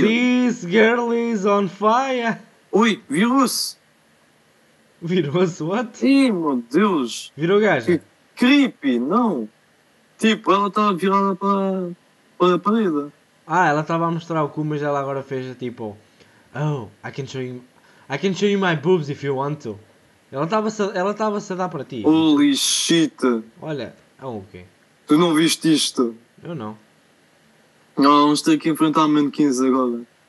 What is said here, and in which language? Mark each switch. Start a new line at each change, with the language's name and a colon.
English: This girl is on fire.
Portuguese: Ui, virou-se. Virou-se,
English: what?
Portuguese: Ih, meu Deus. Virou gajo? Creepy, não. Tipo, ela estava virada para a parede. Ah, ela estava a mostrar o cu, mas ela agora fez tipo...
English: Oh, I can show you my boobs if you want to.
Portuguese: Ela estava-se a dar para ti.
English: Holy shit.
Portuguese: Olha, é um quê? Tu não viste isto? Eu não. Não, vamos ter que enfrentar o menos 15 agora.